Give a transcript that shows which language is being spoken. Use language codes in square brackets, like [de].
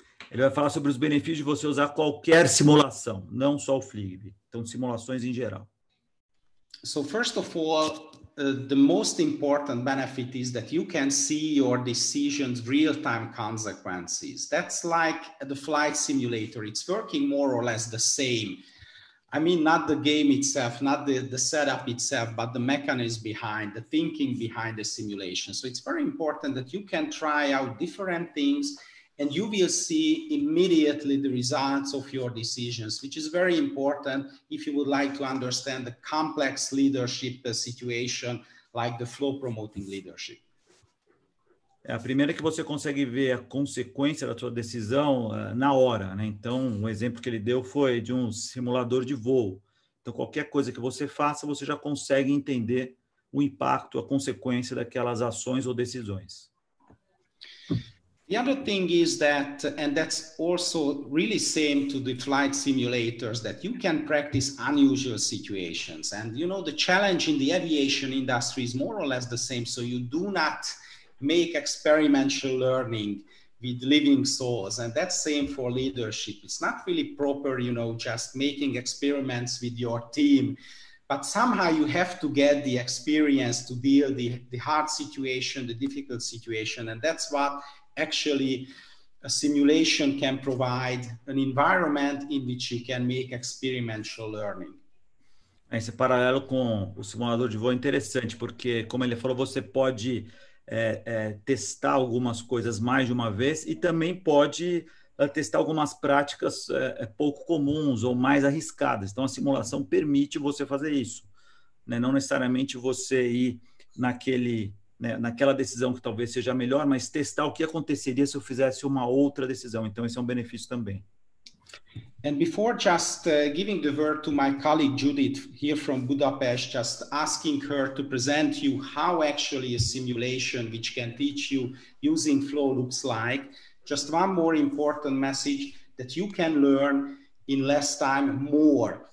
[pt] Ele vai falar sobre os benefícios de você usar qualquer simulação, não só o Flygt. Então, simulações em geral. [en] So, first of all, the most important benefit is that you can see your decisions real-time consequences. That's like the flight simulator. It's working more or less the same. I mean, not the game itself, not the setup itself, but the mechanism behind, the thinking behind the simulation. So it's very important that you can try out different things and you will see immediately the results of your decisions, which is very important if you would like to understand the complex leadership situation like the flow-promoting leadership. [pt] É a primeira que você consegue ver a consequência da sua decisão na hora, né? Então, um exemplo que ele deu foi de um simulador de voo. Então, qualquer coisa que você faça, você já consegue entender o impacto, a consequência daquelas ações ou decisões. [en] The other thing is that, and that's also really same to the flight simulators, that you can practice unusual situations. And, you know, the challenge in the aviation industry is more or less the same, so you do not make experimental learning with living souls. And that's same for leadership. It's not really proper, you know, just making experiments with your team, but somehow you have to get the experience to deal the hard situation, the difficult situation. And that's what actually a simulation can provide, an environment in which you can make experimental learning. [pt] Esse paralelo com o simulador de voo é interessante, porque, como ele falou, você pode testar algumas coisas mais de uma vez e também pode testar algumas práticas pouco comuns ou mais arriscadas. Então, a simulação permite você fazer isso, né? Não necessariamente você ir naquela decisão que talvez seja melhor, mas testar o que aconteceria se eu fizesse uma outra decisão. Então, esse é um benefício também. [en] And before just giving the word to my colleague Judith here from Budapest, just asking her to present you how actually a simulation which can teach you using flow looks like, just one more important message that you can learn in less time more.